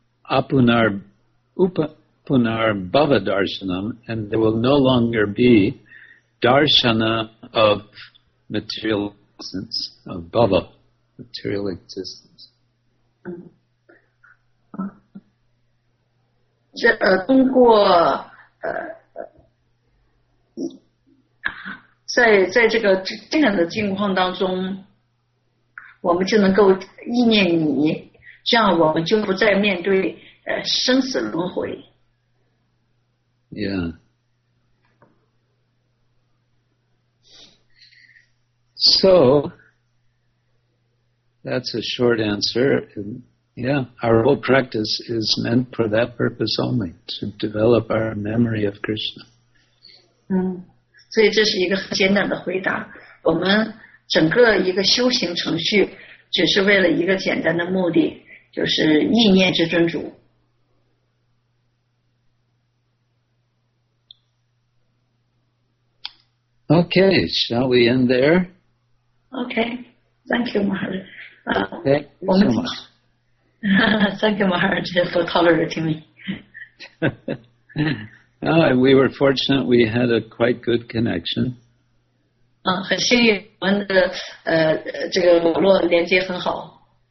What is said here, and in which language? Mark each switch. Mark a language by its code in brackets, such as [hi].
[en] Upunar bhava darshanam, and there will no longer be darshana of material existence, of bhava, material existence. [zh] 通过在这个这样的境况当中，我们就能够意念你，这样我们就不再面对生死轮回。 [en] So that's a short answer. Our whole practice is meant for that purpose only, to develop our memory of Krishna. [zh] 所以这是一个很简单的回答。我们整个一个修行程序只是为了一个简单的目的，就是意念至尊主。 [en] Okay, shall we end there? Okay, thank you, Maharaj. Thank you so much. Thank you, Maharaj, for tolerating me. We were fortunate we had a quite good connection. [zh] 很幸运我们的这个网络连接很好。